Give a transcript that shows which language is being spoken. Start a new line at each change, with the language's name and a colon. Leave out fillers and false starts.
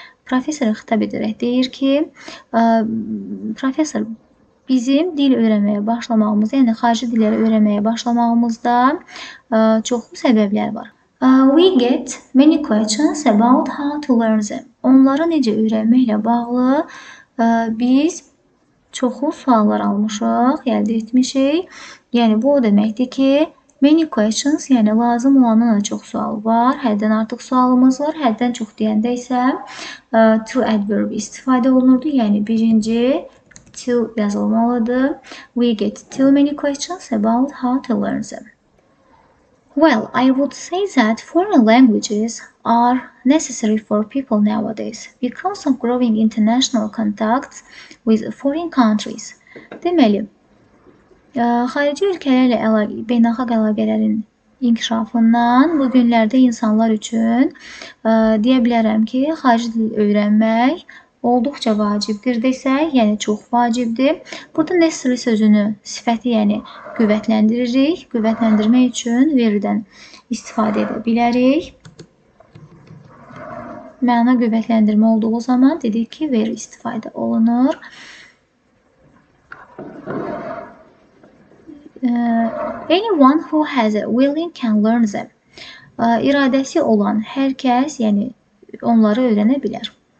Azerbaijani: Professor xitab edərək deyir ki, Professor, bizim dil öyrənməyə başlamağımızda, yəni xarici dilləri öyrənməyə başlamağımızda çoxlu səbəblər var.
English: We get many questions about how to learn them.
Azerbaijani: Onları necə öyrənməklə bağlı biz çoxlu suallar almışıq, elde etmişik. Yəni bu o deməkdir ki,
English: many questions,
Azerbaijani: yəni lazım olanın da çox sual var. Həddən artıq sualımız var. Həddən çox deyəndə isə to adverb istifadə olunurdu. Yəni birinci to yazılmalıdır.
English: We get too many questions about how to learn them. Well, I would say that foreign languages are necessary for people nowadays because of growing international contacts with foreign countries.
Azerbaijani: Deməli, xarici ölkələrlə beynəlxalq əlaqələrin inkişafından bugünlərdə insanlar üçün deyə bilərəm ki, xarici dil öyrənmək olduqca vacibdir desək, yəni çox vacibdir. Burada necessary sözünü sifəti, yəni qüvvətləndiririk. Qüvvətləndirmək üçün very-dən istifadə edə bilərik. Məna qüvvətləndirmə olduğu zaman dedik ki, very istifadə olunur.
English: Anyone who has a willing can learn them.
Azerbaijani: İradəsi olan hər kəs, yəni onları öyrənə bilər.